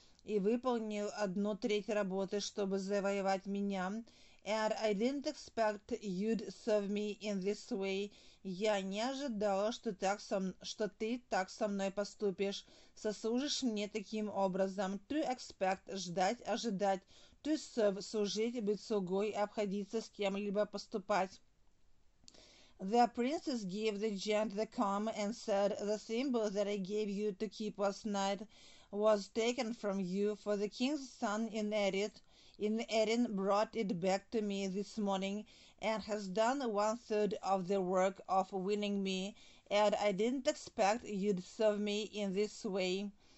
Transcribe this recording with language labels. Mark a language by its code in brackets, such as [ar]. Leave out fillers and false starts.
[ru] и выполнил 1/3 работы, чтобы завоевать меня. [en] And I didn't expect you'd serve me in this way. [ru] Я не ожидала, что ты так со мной поступишь. Сослужишь мне таким образом. To expect – ждать, ожидать. To serve – служить, быть слугой, обходиться с кем-либо, поступать. [en] The princess gave the giant the comb and said, The symbol that I gave you to keep last night was taken from you, for the king's son in Erin brought it back to me this morning and has done 1/3 of the work of winning me, and I didn't expect you'd serve me in this way.